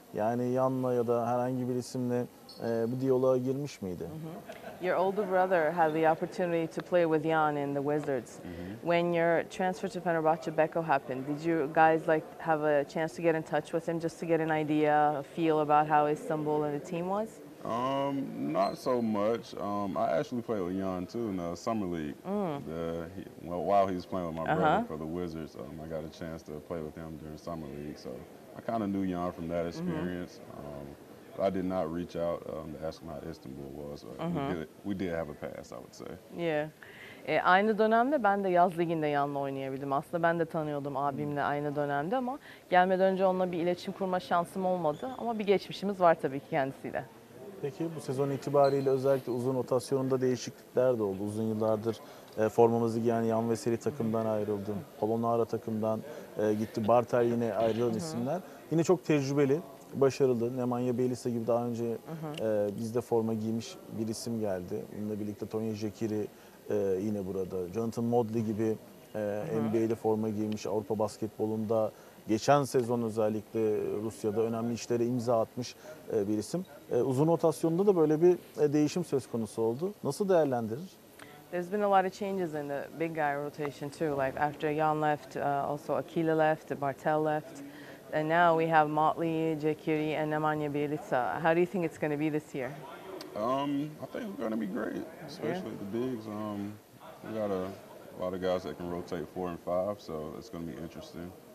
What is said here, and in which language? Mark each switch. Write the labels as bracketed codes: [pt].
[tr] Yani yanla ya da herhangi bir isimle bu diyaloğa girmiş miydi? [en] Your older brother had the opportunity to play with Jan in the Wizards. When your transfer to Fenerbahce Beko happened, did you guys like have a chance to get in touch with him just to get an idea, a feel about how Istanbul and the team was? Not so much. I actually played with Jan too in the summer league. While he was playing with my brother for the Wizards, I got a chance to play with him during summer league. So I kind of knew Jan from that experience. I did not reach out to ask him how Istanbul was. We did have a pass, I would say. Yeah. [tr] Aynı dönemde ben de yaz liginde yanla oynayabildim. Aslında ben de tanıyordum abimle aynı dönemde ama gelmeden önce onunla bir iletişim kurma şansım olmadı. Ama bir geçmişimiz var tabii ki kendisiyle. Peki bu sezon itibariyle özellikle uzun rotasyonunda değişiklikler de oldu. Uzun yıllardır formamızı giyen Jan Veseli takımdan ayrıldım. Polonara takımdan gitti. Bartel yine ayrılan isimler. Yine çok tecrübeli. Başarılı. Nemanja Bjelica gibi daha önce bizde forma giymiş bir isim geldi. Bununla birlikte Tony Jekiri yine burada. Jonathan Mobley gibi NBA'de forma giymiş. Avrupa basketbolunda geçen sezon özellikle Rusya'da önemli işlere imza atmış bir isim. Uzun rotasyonda da böyle bir değişim söz konusu oldu. Nasıl değerlendirir? [en] There's been a lot of changes in the big guy rotation too. Like after Jan left, also Akile left, Bartel left. And now we have Motley, Jekiri, and Nemanja Bjelica. How do you think it's going to be this year? I think it's going to be great, especially the bigs. We got a lot of guys that can rotate four and five, so it's going to be interesting.